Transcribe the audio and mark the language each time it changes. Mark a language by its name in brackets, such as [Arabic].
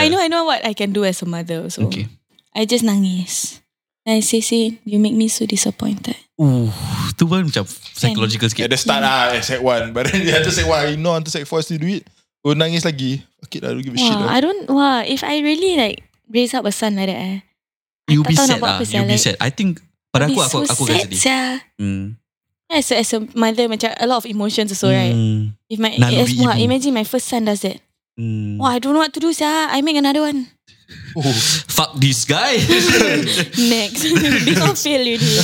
[English] I know what I can do as a mother. So okay. I just nangis. And I say, see, you make me so disappointed. [Malay] Ooh, tu pun macam psychological sikit. [English] At the start lah, I said one. But then you have to say, why? You know, until say four, I still do it. Oh, [Malay] nangis lagi. [English] Okay, I don't give a shit. Wah, I don't, wah. If I really like raise up a son like that, you'll be sad lah. You'll be sad. I think, [Malay] pada aku, aku akan sedih. [English] Yeah, so as a mother, macam a lot of emotions also, right? If my, imagine my first son does that. I don't know what to do, sia. I make another one. Oh, fuck this guy. Next. This will fail you.